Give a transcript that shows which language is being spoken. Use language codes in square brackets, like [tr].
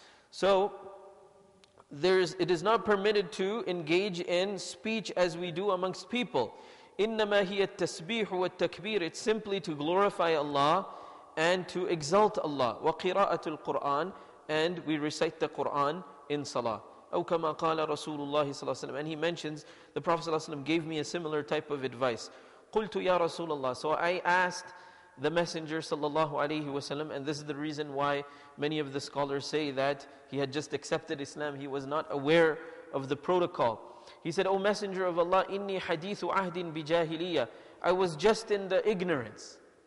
[en] So, it is not permitted to engage in speech as we do amongst people. [ar] إِنَّمَا هِيَ التَّسْبِيحُ وَالتَّكْبِيرُ [en] It's simply to glorify Allah and to exalt Allah. [ar] وَقِرَاءَةُ الْقُرْآنِ [en] And we recite the Qur'an in salah. [ar] أَوْ كَمَا قَالَ رَسُولُ اللَّهِ صَلَّى اللَّهُ عَلَيْهِ وَسَلَّمَ [en] And he mentions, the Prophet صلى الله عليه وسلم gave me a similar type of advice. [ar] قُلْتُ يَا رَسُولَ اللَّهِ [en] So I asked the Messenger sallallahu alayhi wa sallam, and this is the reason why many of the scholars say that he had just accepted Islam, he was not aware of the protocol. He said, O Messenger of Allah, [ar] إِنِّي حَدِيثُ عَهْدٍ بِجَاهِلِيَّةِ [en] I was just in the ignorance.